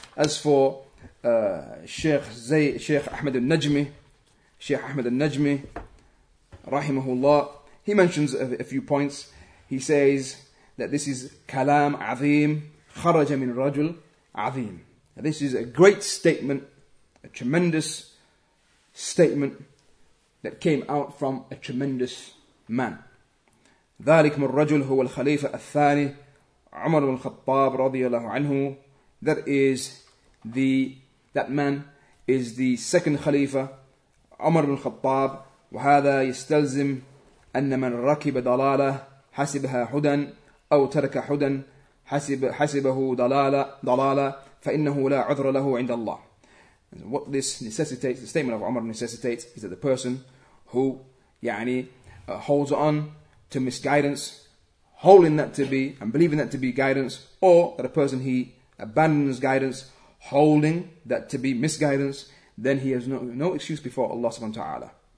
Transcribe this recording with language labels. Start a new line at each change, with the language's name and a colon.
English: As for Sheikh Ahmed al-Najmi, Sheikh Ahmed al-Najmi, rahimahullah, he mentions a few points. He says that this is
Arabic: kalam azim, kharaja min rajul azim.
English: This is a great statement, a tremendous statement, that came out from a tremendous man.
Arabic: ذلك من الرجل هو الخليفة الثاني عمر بن الخطاب رضي الله عنه.
English: That is the that man is the second Khalifa,
Arabic: عمر بن الخطاب. وهذا يستلزم أن من ركب ضلالة حسبها هدى أو ترك هدى حسبه ضلالة فإنه لا عذر له عند الله.
English: What this necessitates, the statement of Umar necessitates, is that the person who يعني, holds on to misguidance, holding that to be and believing that to be guidance, or that a person he abandons guidance, holding that to be misguidance, then he has no excuse before Allah subhanahu wa ta'ala.